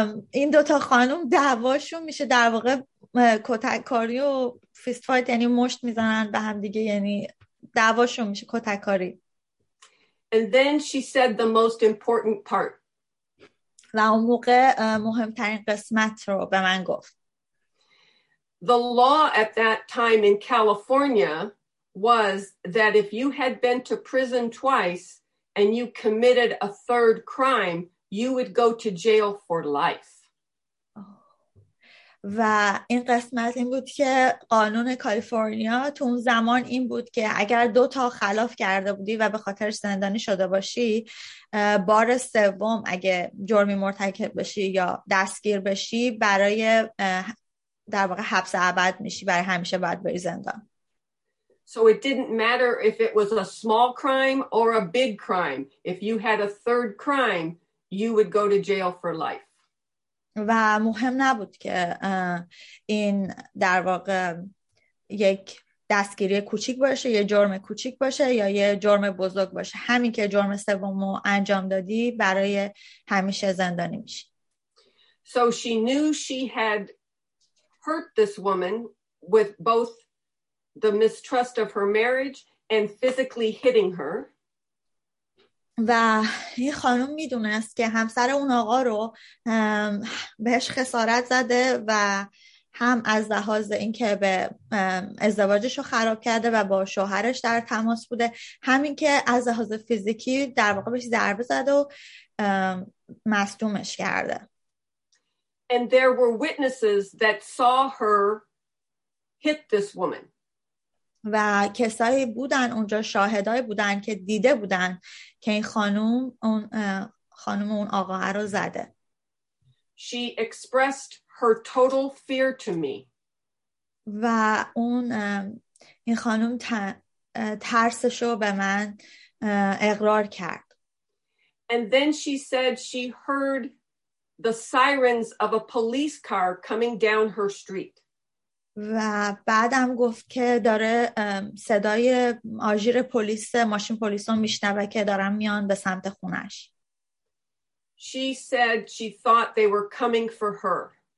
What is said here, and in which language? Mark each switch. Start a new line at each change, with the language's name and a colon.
Persian: این دوتا خانم دعواشون میشه در واقع کتککاری و فیست فایت، یعنی مشت میزنن به هم دیگه، یعنی دعواشون میشه کتککاری.
English: And then she said the most important part.
Persian: و اون موقع مهمترین قسمت رو به من گفت.
English: The law at that time in California was that if you had been to prison twice and you committed a third crime, you would go to jail for life.
Persian: و این قسمت این بود که قانون کالیفرنیا تو اون زمان این بود که اگر دو تا خلاف کرده بودی و به خاطر زندانی شده باشی، بار سوم اگه جرمی مرتکب بشی یا دستگیر بشی، برای در واقع حبس ابد میشی، برای همیشه باید بری زندان.
English: So it didn't matter if it was a small crime or a big crime. If you had a third crime, you would go to jail for life.
Persian: و مهم نبود که این در واقع یک دستگیری کوچیک باشه، یه جرم کوچیک باشه یا یه جرم بزرگ باشه، همین که جرم سومو انجام دادی برای همیشه زندانی میشی.
English: So she knew she had hurt this woman with both the mistrust of her marriage and physically hitting her.
Persian: و یه خانم میدونست که همسر اون آقا رو بهش خسارت زده و هم از لحاظ اینکه به ازدواجش رو خراب کرده و با شوهرش در تماس بوده، همین که از لحاظ فیزیکی در واقع بهش ضربه زده و مصدومش کرده.
English: And there were witnesses that saw her hit this woman.
Persian: و کسایی بودن اونجا، شاهدای بودن که دیده بودن که این خانم اون آقا رو زده.
English: She expressed her total fear to me.
Persian: و اون این خانم ترسش رو به من اقرار کرد.
English: And then she said she heard the sirens of a police car coming down her street.
Persian: و بعدم گفت که داره صدای آژیر پلیس، ماشین پلیس رو میشنوه که دارن میان به سمت خونش.
English: She said she thought they were coming for her.